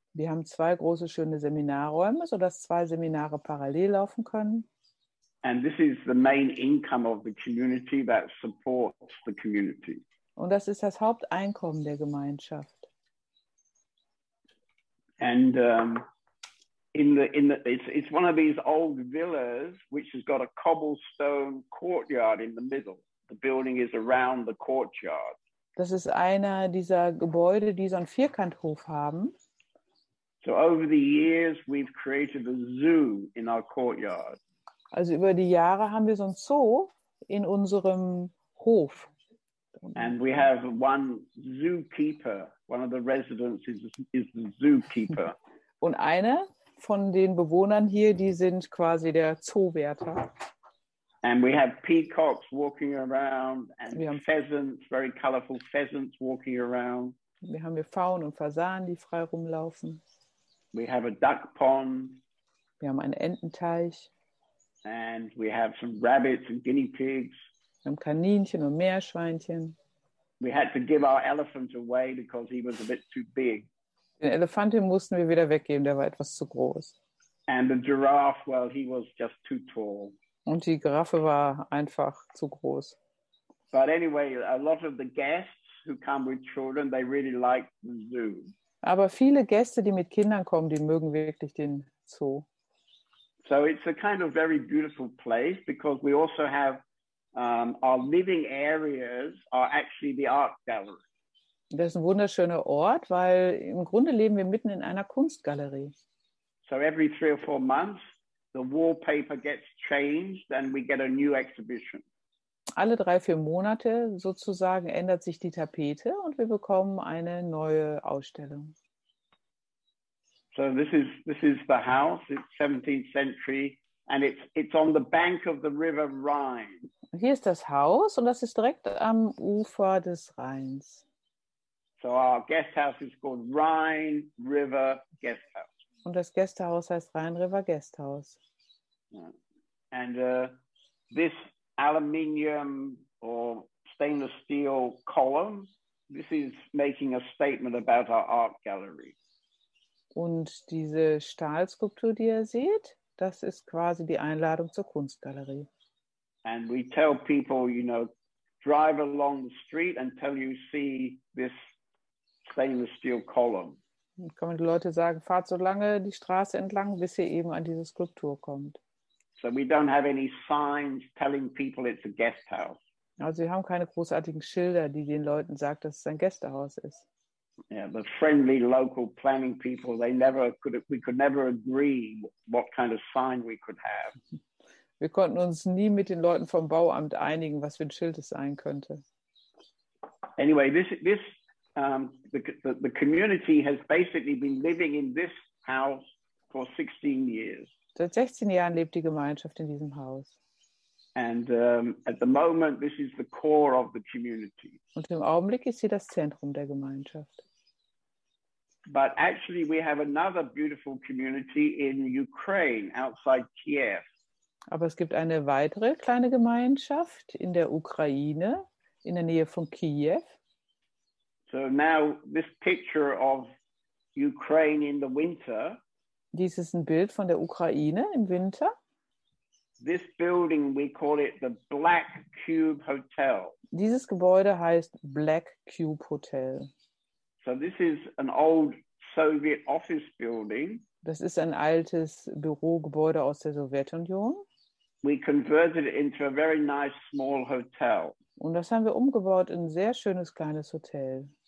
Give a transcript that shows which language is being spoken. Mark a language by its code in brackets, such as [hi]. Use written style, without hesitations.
[de] Wir haben zwei große schöne Seminarräume, so dass zwei Seminare parallel laufen können. [en] And this is the main income of the community that supports the community. [de] Und das ist das Haupteinkommen der Gemeinschaft. [en] And it's one of these old villas which has got a cobblestone courtyard in the middle. The building is around the courtyard. [de] Das ist einer dieser Gebäude, die so einen Vierkanthof haben. [en] So over the years we've created a zoo in our courtyard. [de] Also über die Jahre haben wir so einen Zoo in unserem Hof [en] And we have one zookeeper. One of the residents is the zookeeper. [de] Und einer von den Bewohnern hier, die sind quasi der Zoowärter. [en] And we have peacocks walking around and pheasants, very colorful pheasants walking around. [de] Wir haben hier Pfauen und Fasanen, die frei rumlaufen. [en] We have a duck pond. [de] Wir haben einen Ententeich. [en] And we have some rabbits and guinea pigs. [de] Wir haben Kaninchen und Meerschweinchen. [en] We had to give our elephant away because he was a bit too big. [de] Den Elefanten mussten wir wieder weggeben, der war etwas zu groß. [en] And the giraffe, well, he was just too tall. [de] Und die Giraffe war einfach zu groß. [en] But anyway, a lot of the guests who come with children, they really like the zoo. [de] Aber viele Gäste, die mit Kindern kommen, die mögen wirklich den Zoo. [en] So it's a kind of very beautiful place because we also have our living areas are actually the art gallery. [de] Das ist ein wunderschöner Ort, weil im Grunde leben wir mitten in einer Kunstgalerie. [en] So every 3 or 4 months the wallpaper gets changed and we get a new exhibition. [de] Alle 3-4 Monate sozusagen ändert sich die Tapete und wir bekommen eine neue Ausstellung. [en] So this is the house, it's 17th century and it's on the bank of the river Rhine. [de] Hier ist das Haus und das ist direkt am Ufer des Rheins. [en] So our guest house is called Rhine River Guest House. [de] Und das Gästehaus heißt Rhine River Guest House. [en] And this aluminium or stainless steel column, this is making a statement about our art gallery. [de] Und diese Stahlskulptur, die ihr seht, das ist quasi die Einladung zur Kunstgalerie. [en] And we tell people, you know, drive along the street until you see this stainless steel column. [de] Dann kann man die Leute sagen, fahrt so lange die Straße entlang, bis ihr eben an diese Skulptur kommt. [en] So we don't have any signs telling people it's a guest house. [de] Also wir haben keine großartigen Schilder, die den Leuten sagen, dass es ein Gästehaus ist. [en] Yeah, the friendly local planning people, we could never agree what kind of sign we could have. [de] Wir konnten uns nie mit den Leuten vom Bauamt einigen, was für ein Schild es sein könnte. [en] Anyway, the community has basically been living in this house for 16 years. [de] Seit 16 Jahren lebt die Gemeinschaft in diesem Haus. [en] And at the moment, this is the core of the community. [de] Und im Augenblick ist sie das Zentrum der Gemeinschaft. [en] But actually, we have another beautiful community in Ukraine outside Kiev. [de] Aber es gibt eine weitere kleine Gemeinschaft in der Ukraine, in der Nähe von Kiew. [en] So now this picture of Ukraine in the winter. [de] Dies ist ein Bild von der Ukraine im Winter. [en] This building, we call it the Black Cube Hotel. [de] Dieses Gebäude heißt Black Cube Hotel. [en] So this is an old Soviet office building. [de] Das ist ein altes Bürogebäude aus der Sowjetunion. [en] We converted it into a very nice small hotel. [de] Und das haben wir umgebaut in ein sehr schönes kleines Hotel.